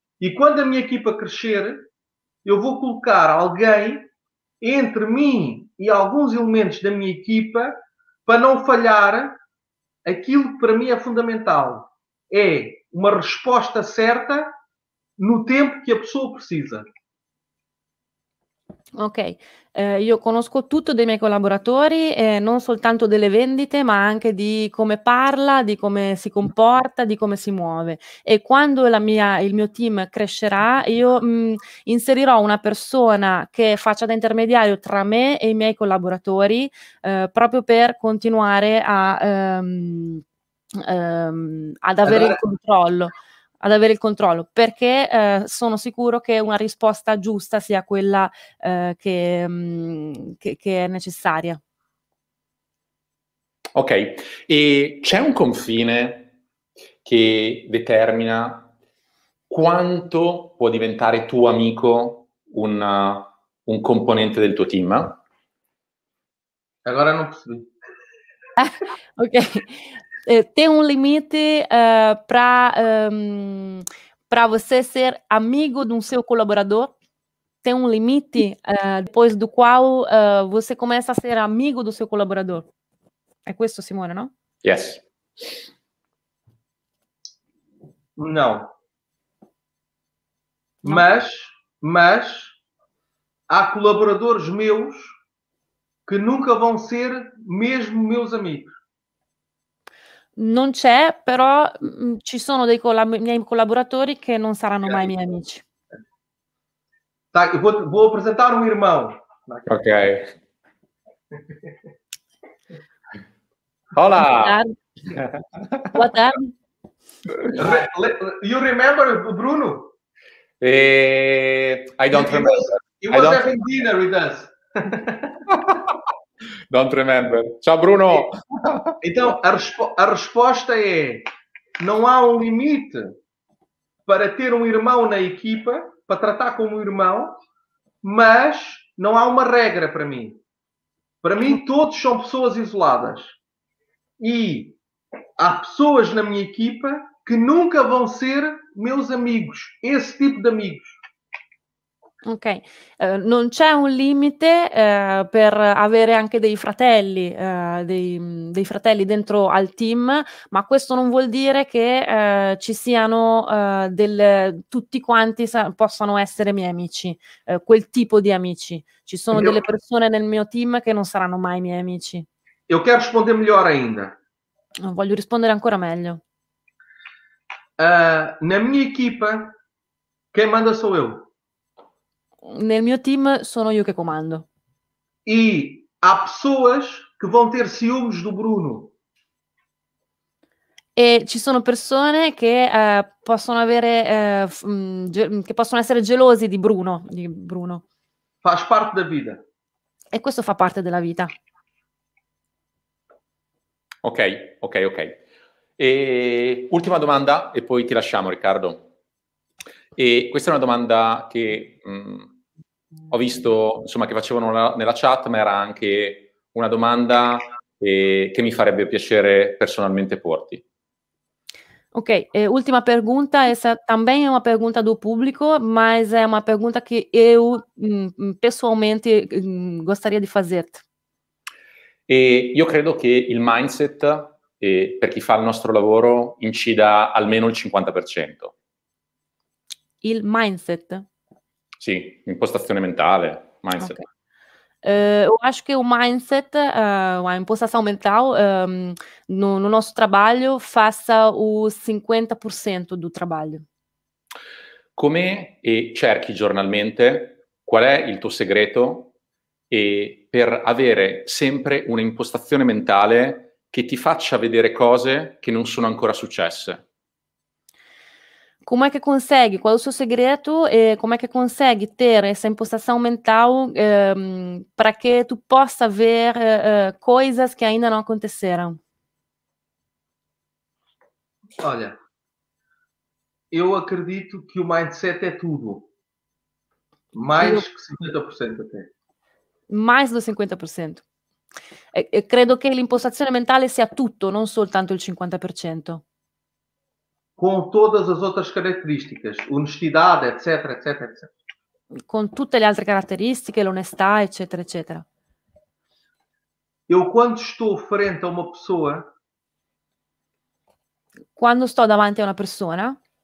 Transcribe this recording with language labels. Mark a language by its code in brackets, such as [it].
[pt] E quando a minha equipa crescer, eu vou colocar alguém entre mim e alguns elementos da minha equipa para não falhar aquilo que para mim é fundamental. É uma resposta certa no tempo que a pessoa precisa. [it] Ok, io conosco tutto dei miei collaboratori, non soltanto delle vendite, ma anche di come parla, di come si comporta, di come si muove. E quando il mio team crescerà, io inserirò una persona che faccia da intermediario tra me e i miei collaboratori, proprio per continuare ad avere il controllo. Ad avere il controllo, perché sono sicuro che una risposta giusta sia quella che è necessaria. Ok, e c'è un confine che determina quanto può diventare tuo amico un componente del tuo team? Allora non posso. Ok. [pt] Tem um limite para você ser amigo de um seu colaborador? Tem um limite depois do qual você começa a ser amigo do seu colaborador? É isso, Simone, não? [en] Yes. [pt] Não. Mas há colaboradores meus que nunca vão ser mesmo meus amigos. [it] Non c'è, però ci sono dei miei collaboratori che non saranno mai miei amici. [pt] Vou apresentar un irmão. Ok. [es] Hola! [en] What happened? You remember Bruno? I don't remember. He was having dinner with us. Don't remember. Ciao Bruno! [pt] Então, a resposta é, não há um limite para ter um irmão na equipa, para tratar como um irmão, mas não há uma regra para mim. Para mim, todos são pessoas isoladas. E há pessoas na minha equipa que nunca vão ser meus amigos, esse tipo de amigos. [it] Ok, non c'è un limite per avere anche dei fratelli, dei fratelli dentro al team, ma questo non vuol dire che ci siano tutti quanti possano essere miei amici, quel tipo di amici. Ci sono delle persone nel mio team che non saranno mai miei amici. Io [pt] quero [it] rispondere meglio [pt] ainda. [it] Voglio rispondere ancora meglio. Nella mia equipa, chi manda sono io. Nel mio team sono io che comando. [pt] E há pessoas que vão ter ciúmes do Bruno. [it] E ci sono persone che possono avere che possono essere gelosi di Bruno, [pt] Faz parte da vida. [it] E questo fa parte della vita. Ok, ok, ok. E ultima domanda e poi ti lasciamo, Riccardo. E questa è una domanda che ho visto, insomma, che facevano nella chat, ma era anche una domanda che mi farebbe piacere personalmente porti. [pt] Ok, ultima pergunta, também é uma pergunta do público, mas é uma pergunta que eu pessoalmente gostaria de fazer-te. [it] E io credo che il mindset per chi fa il nostro lavoro incida almeno il 50%. Il mindset? Sì, impostazione mentale, mindset. Okay. [pt] Eu acho que o mindset, a impostação mental, no nosso trabalho, faça o 50% do trabalho. [it] Come e cerchi giornalmente? Qual è il tuo segreto e per avere sempre un'impostazione mentale che ti faccia vedere cose che non sono ancora successe? [pt] Como é que consegue? Qual é o seu segredo? E como é que consegue ter essa impostação mental para que tu possa ver coisas que ainda não aconteceram? Olha, eu acredito que o mindset é tudo. Mais que 50% até. Mais do 50%. [it] E credo [pt] que a impostação mental seja tudo, não [it] soltanto [pt] o 50%. [it] Con tutte le altre caratteristiche, onestà, eccetera, eccetera, eccetera. Con tutte le altre caratteristiche, l'onestà, eccetera, eccetera. Io quando sto frente a una persona... Quando sto davanti a una persona...